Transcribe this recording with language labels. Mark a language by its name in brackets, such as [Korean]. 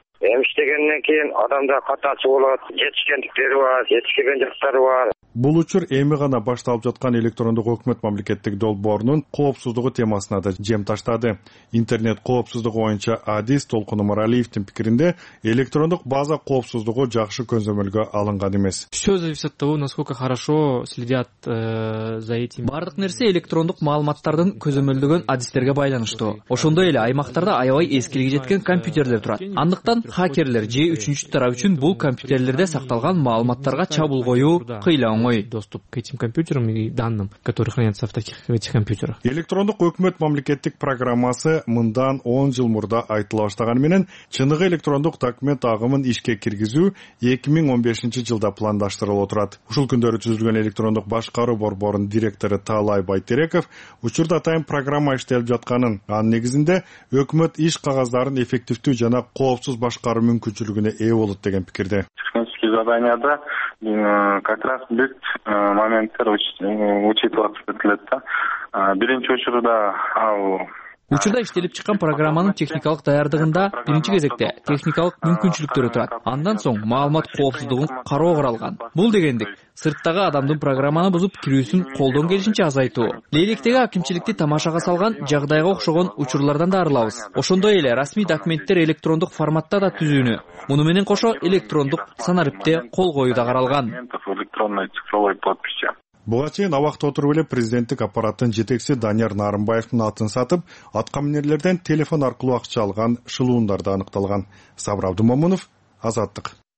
[Kyrgyz] Эмиштегенден кийин адамдар катасы болот, жетишкендиктери бар, жетишкен жактары бар. Бул учур эми гана башталып жаткан электрондук өкмөт мамлекеттик долбоорунун коопсуздугу темасына да жем таштады. Интернет коопсуздугу боюнча адис Толкун Умаралиевдин пикиринде электрондук база коопсуздугу жакшы көзөмөлгө алынган эмес. [Russian] Все зависит от того, насколько хорошо следят за этим. [Kyrgyz] Бардык нерсе электрондук маалыматтардын көзөмөлдөгөн адистерге байланыштуу. Ошондой эле аймактарда аябай эскилиги жеткен компьютерлер турат. Андыктан хакерлер же үчүнчү тарап үчүн бул компьютерлерде сакталган маалыматтарга чабуул коюу кыйла оңой. [Russian] Доступ к этим компьютерам и данным, которые хранятся в таких этих компьютерах. [Kyrgyz] Электрондук өкмөт мамлекеттик программасы мындан 10 жыл мурда айтыла баштаган менен, чыныгы электрондук документ агымын ишке киргизүү 2015 жылда пландаштырылып отурат. Ушул күндөрү түзүлгөн электрондук башкаруу борборунун директору Таалай Байтереков учурда атайын программа иштелип жатканын, анын негизинде өкмөт иш кагаздарын эффективдүү жана коопсуз башкаруу мүмкүнчүлүгүнө ээ болот деген пикирде. [Russian] Технические заданияда как раз [Kyrgyz] бүт моменттер [Russian] учитывается. [Kyrgyz] Биринчи учурда ал учурда иштелип чыккан программанын техникалык даярдыгында биринчи кезекте техникалык мүмкүнчүлүктөрү турат. Андан соң маалымат коопсуздугун кароо каралган. Бул дегендик, сырттагы адамдын программаны бузуп кирүүсүн колдон келишинче азайтуу. Лейлектеги акимчиликти тамашага салган жагдайга окшогон учурлардан да арылабыз. Ошондой эле расмий документтер электрондук форматта да түзүүнү, муну менен кошо электрондук санарипте кол коюу да каралган. [Russian] Электронная цифровая подпись. [Kyrgyz] Буга чейин абакта отуруп эле президенттик аппараттын жетекчиси Данияр Нарымбаевдин атын сатып, аткаминерлерден телефон аркылуу акча алган шылуундар да аныкталган. Сабыр Абдумомунов, Азаттык.